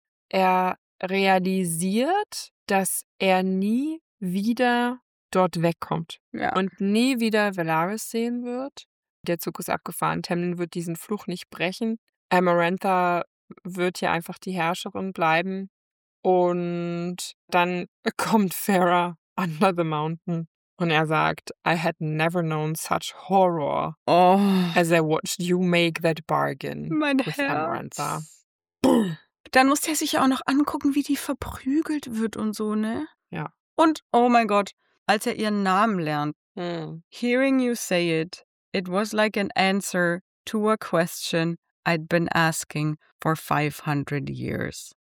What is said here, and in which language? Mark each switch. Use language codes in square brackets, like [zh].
[de] Er realisiert, dass er nie wieder dort wegkommt und nie wieder Velaris sehen wird. Der Zug ist abgefahren. Tamlin wird diesen Fluch nicht brechen. Amarantha wird hier einfach die Herrscherin bleiben. Und dann kommt Farah [en] under the mountain. [de] Und er sagt, [en] I had never known such horror as I watched you make that bargain with Amarantha. [de] Dann muss er sich ja auch noch angucken, wie die verprügelt wird und so, ne? Ja. Und, oh mein Gott, als er ihren Namen lernt. [en] Hearing you say it, it was like an answer to a question I'd been asking for 500 years.